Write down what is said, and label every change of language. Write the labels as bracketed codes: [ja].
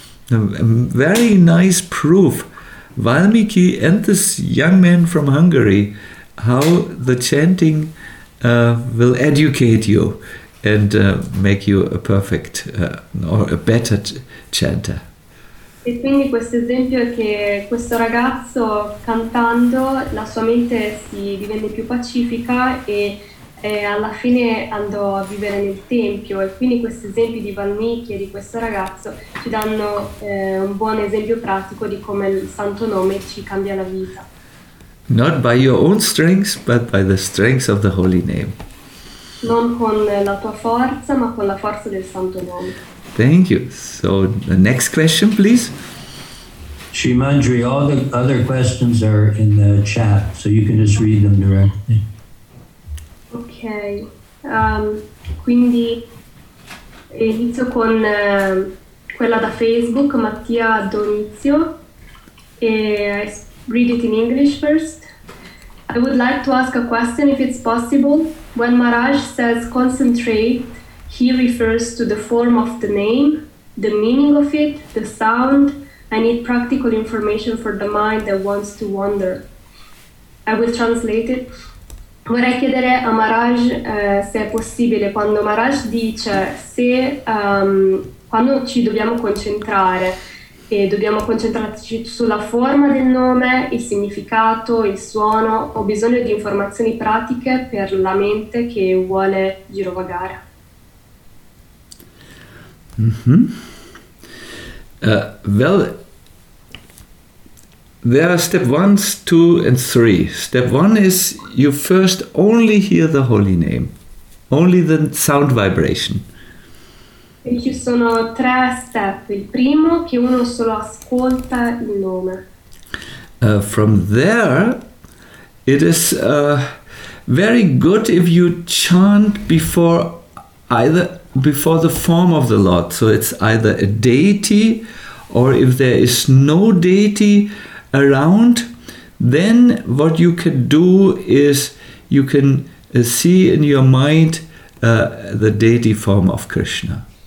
[en] very nice proof, Valmiki and this young man from Hungary, how the chanting will educate you and make you a perfect or a better chanter. [it] E quindi questo esempio è che questo ragazzo cantando la sua mente si divenne più pacifica e alla fine andò a vivere nel tempio, e quindi questi esempi di Valmiki e di questo ragazzo ci danno un buon esempio pratico di come il Santo Nome ci cambia la vita. [en] Not by your own strengths, but by the strengths of the Holy Name. [it] Non con la tua forza, ma con la forza del Santo Nome. [en] Thank you. So, the next question, please. Srimanjari, all the other questions are in the chat, so you can just read them directly. [it] Ok, quindi inizio con quella da Facebook, Mattia Donizio, e [en] read it in English first. I would like to ask a question if it's possible. When Maharaj says concentrate, he refers to the form of the name, the meaning of it, the sound. I need practical information for the mind that wants to wander. I will translate it. [it] Vorrei chiedere a Maharaj se è possibile, quando Maharaj dice se quando ci dobbiamo concentrare e dobbiamo concentrarci sulla forma del nome, il significato, il suono, ho bisogno di informazioni pratiche per la mente che vuole girovagare. [en] Well, there are step ones, two, and three. Step one is you first only hear the holy name, only the sound vibration. [it] E ci sono tre step. Il primo, che uno solo ascolta il nome. [en] From there, it is very good if you chant before the form of the Lord. So it's either a deity, or if there is no deity around, then what you can do is you can see in your mind the deity form of Krishna.